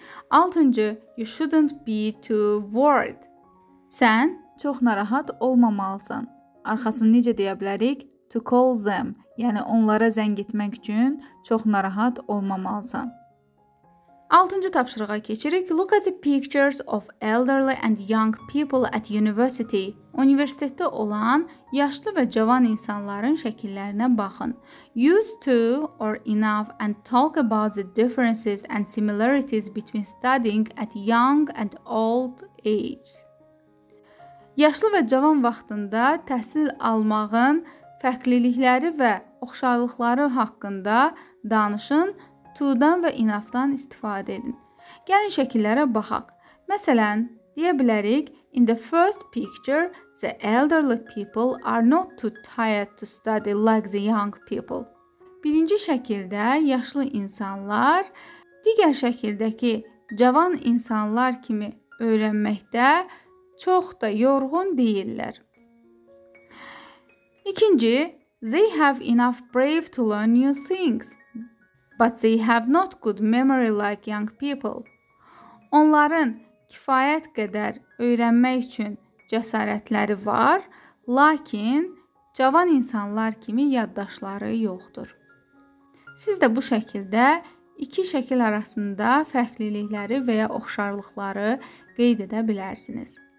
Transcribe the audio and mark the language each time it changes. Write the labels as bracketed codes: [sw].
[en] Altıncı, you shouldn't be too worried. [az] Sən çox narahat olmamalısın. Arxasını necə deyə bilərik? [en] To call them. [az] Yəni, onlara zəng etmək üçün çox narahat olmamalısın. Altıncı tapşırığa keçirik. [en] Look at the pictures of elderly and young people at university. [az] Universitetdə olan yaşlı və cavan insanların şəkillərinə baxın. [en] Use to or enough and talk about the differences and similarities between studying at young and old age. [az] Yaşlı və cavan vaxtında təhsil almağın fərqlilikləri və oxşarlıqları haqqında danışın. To-dan və enough-dan istifadə edin. Gəlin şəkillərə baxaq. Məsələn, deyə bilərik, [en] In the first picture, the elderly people are not too tired to study like the young people. [az] Birinci şəkildə yaşlı insanlar, digər şəkildəki cavan insanlar kimi öyrənməkdə çox da yorğun deyirlər. [en] İkinci, they have enough brave to learn new things. But they have not good memory like young people. [az] Onların kifayət qədər öyrənmək üçün cəsarətləri var, lakin cavan insanlar kimi yaddaşları yoxdur. Siz də bu şəkildə iki şəkil arasında fərqlilikləri və ya oxşarlıqları qeyd edə bilərsiniz.